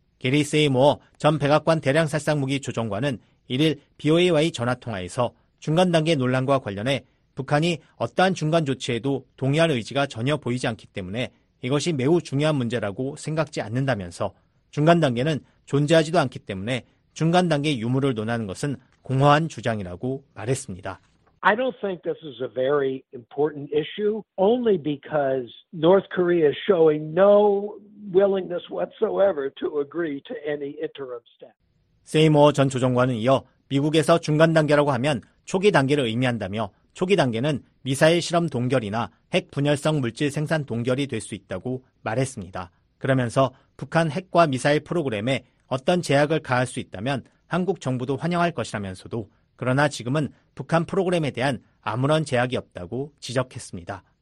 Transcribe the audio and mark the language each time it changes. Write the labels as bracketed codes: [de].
[ko] 게리 세이모어 전 백악관 대량살상무기 조정관은 1일 BOA와의 전화통화에서 중간 단계 논란과 관련해 북한이 어떠한 중간 조치에도 동의할 의지가 전혀 보이지 않기 때문에 이것이 매우 중요한 문제라고 생각지 않는다면서 중간 단계는 존재하지도 않기 때문에 중간 단계 유무를 논하는 것은 공허한 주장이라고 말했습니다. [en] I don't think this is a very important issue only because North Korea is showing no willingness whatsoever to agree to any interim step. [ko] 세이머 전 조정관은 이어 미국에서 중간 단계라고 하면 초기 단계를 의미한다며 초기 단계는 미사일 실험 동결이나 핵 분열성 물질 생산 동결이 될 수 있다고 말했습니다. 그러면서 북한 핵과 미사일 프로그램에 어떤 제약을 가할 수 있다면 한국 정부도 환영할 것이라면서도 그러나 지금은 북한 프로그램에 대한 아무런 제약이 없다고 지적했습니다.